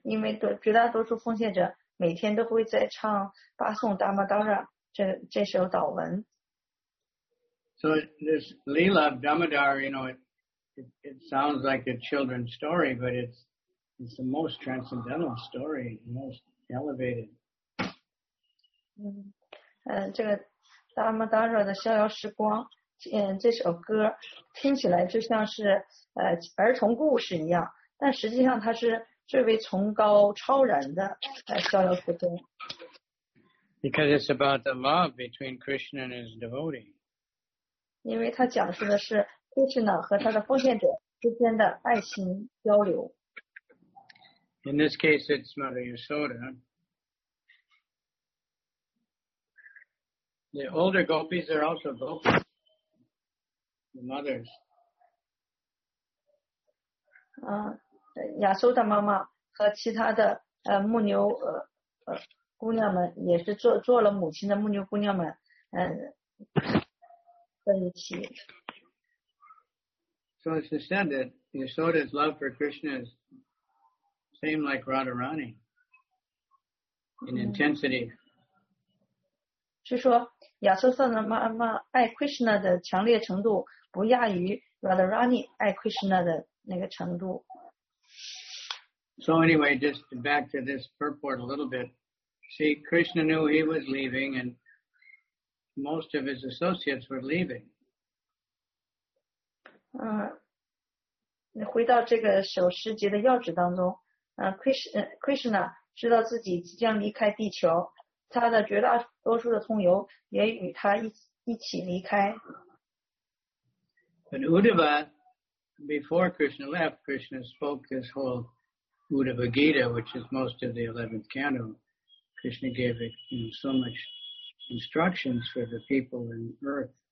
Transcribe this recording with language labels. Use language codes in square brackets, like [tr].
[zh] 因为绝大多数奉献者每天都会在唱巴颂达摩达拉这首祷文。 [en] So this Leela of Damodar, you know, it sounds like a children's story, but it's the most transcendental story, most elevated. [zh] 这个达摩达拉的逍遥时光。这首歌听起来就像是儿童故事一样，但实际上它是最为崇高超然的逍遥时光。 [en] Because it's about the love between Krishna and his devotee. [zh] 因为它讲述的是 Krishna 和他的奉献者之间的爱情交流。 [en] In this case, it's Mother Yashoda. The older gopis are also gopis. The mothers. [zh] 亚苏的妈妈和其他的牧牛姑娘们也是做了母亲的牧牛姑娘们在一起。 [en] So it's said that Yashoda's love for Krishna is same like Radharani in intensity. [zh] 据说亚苏萨的妈妈爱 Krishna 的强烈程度。不亚于 Radharani 爱 Krishna 的那个程度。 [en] So anyway, just back to this purport a little bit. See, Krishna knew he was leaving, and most of his associates were leaving. [zh] 回到这个首诗节的要旨当中，Krishna 知道自己即将离开地球，他的绝大多数的同游也与他一起离开。 [en] But Uddhava, before Krishna left, Krishna spoke this whole Uddhava Gita, which is most of the 11th canto. Krishna gave it, you know, so much instructions for the people in earth.